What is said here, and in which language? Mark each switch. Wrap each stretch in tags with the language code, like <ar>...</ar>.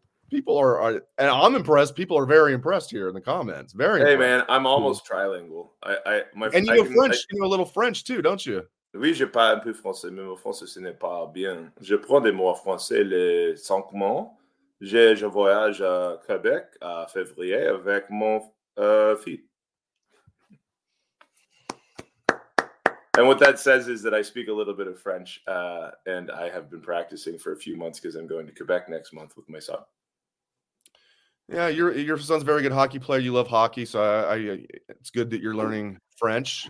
<en>People are, and I'm impressed. People are very impressed here in the comments. Very. Hey, impressed. Man, I'm almost trilingual. You know a little French too, don't you?</en> <fr>Oui, je parle un peu français, mais mon français ce n'est pas bien. Je prends des mots français les cinq mois. Je voyage à Québec en février avec mon fille.</fr> <en>And what that says is that I speak a little bit of French, and I have been practicing for a few months because I'm going to Quebec next month with my son. Yeah, your son's a very good hockey player. You love hockey, so I it's good that you're learning French.</en>